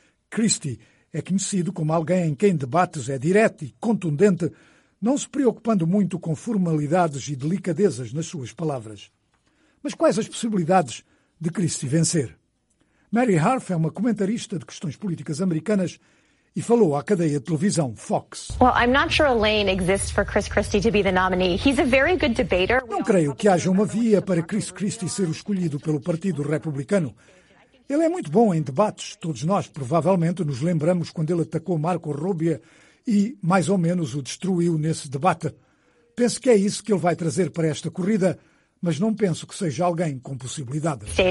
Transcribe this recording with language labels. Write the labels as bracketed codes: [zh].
[pt] Christie é conhecido como alguém em quem debates é direto e contundente, não se preocupando muito com formalidades e delicadezas nas suas palavras. Mas quais as possibilidades de Christie vencer? Mary Harf é uma comentarista de questões políticas americanas e falou à cadeia de televisão Fox. [en] Well, I'm not sure a lane exists for Chris Christie to be the nominee. He's a very good debater. [pt] Não creio que haja uma via para Chris Christie ser o escolhido pelo Partido Republicano. Ele é muito bom em debates. Todos nós, provavelmente, nos lembramos quando ele atacou Marco Rubio e, mais ou menos, o destruiu nesse debate. Penso que é isso que ele vai trazer para esta corrida, mas não penso que seja alguém com possibilidade.